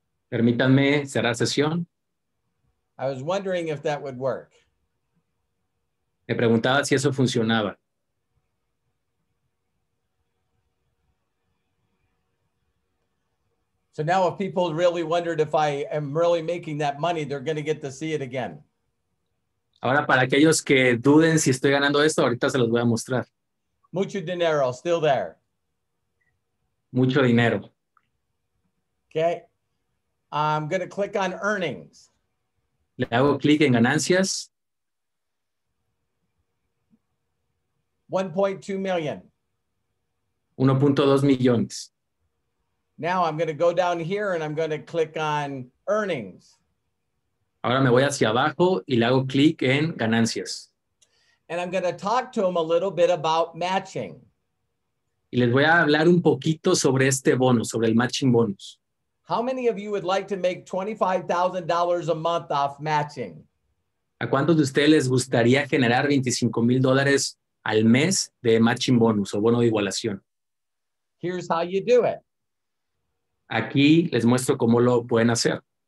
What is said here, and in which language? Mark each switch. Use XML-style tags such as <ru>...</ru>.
<es>Permítanme cerrar sesión.</es> <en>I was wondering if that would work.</en> <es>Me preguntaba si eso funcionaba.</es> <en>So So now if people really wondered if I am really making that money, they're going to get to see it again.</en> <es>Ahora, para aquellos que duden si estoy ganando esto, ahorita se los voy a mostrar. Mucho dinero,</es> <en>still there.</en> <es>Mucho dinero.</es> <en>Okay. I'm going to click on earnings.</en> <es>Le hago clic en ganancias.</es> <en>1.2 million.</en> <es>1.2 millones.</es> <en>Now I'm going to go down here and I'm going to click on earnings.</en> <es>Ahora me voy hacia abajo y le hago clic en ganancias.</es> <en>And I'm going to talk to him a little bit about matching.</en> <es>Y les voy a hablar un poquito sobre este bono, sobre el matching bonus.</es> <en>How many of you would like to make $25,000 a month off matching?</en> <es>¿A cuántos de ustedes les gustaría generar $25,000 al mes de matching bonus o bono de igualación?</es> <en>Here's how you do it.</en> <es>Aquí les muestro cómo lo pueden hacer.</es>